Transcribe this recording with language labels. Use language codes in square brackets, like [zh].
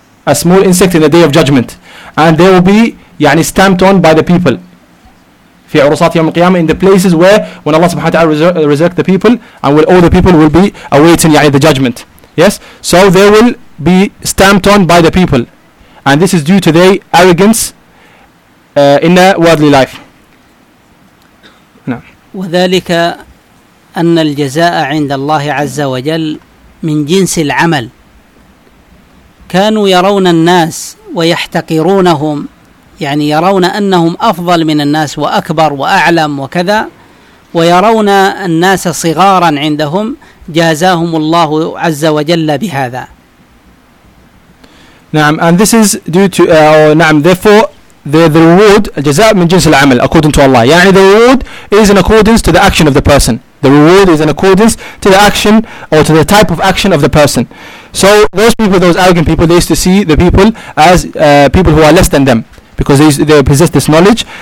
[en] A small insect in the day of judgment, and they will be [ar] يعني [en] stamped on by the people [ar] في عرصات يوم القيامة, [en] in the places where when Allah subhanahu wa ta'ala resurrect the people, and will all the people will be awaiting يعني the judgment. Yes, so they will be stamped on by the people, and this is due to their arrogance in the worldly life. [ar] وذلك أن الجزاء عند الله عز وجل من جنس العمل. كانوا يرون الناس ويحتقرونهم, يعني يرون أنهم أفضل من الناس وأكبر وأعلم وكذا, ويرون الناس صغارا عندهم, جازاهم الله عز وجل بهذا. نعم. [en] And this is due to therefore the reward, [ar] الجزاء من جنس العمل [en] according to Allah, [ar] يعني [en] the reward is in accordance to the action of the person. The reward is in accordance to the action or to the type of action of the person. So those people, those arrogant people, they used to see the people as people who are less than them, because they possess this knowledge.